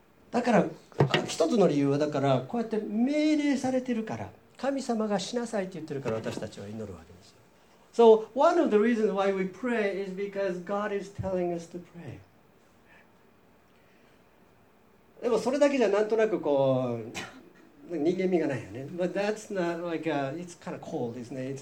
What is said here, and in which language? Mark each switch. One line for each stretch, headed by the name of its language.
Japanese: だから一つの理由はだからこうやって命令されてるから、神様がしなさいって言ってるから私たちは祈るわけですよ。
English: So one of the reasons why we pray is because God is telling us to pray.
Japanese: でもそれだけじゃなんとなくこう人間味がないよね。
English: But that's not like a, it's kind of cold, isn't it?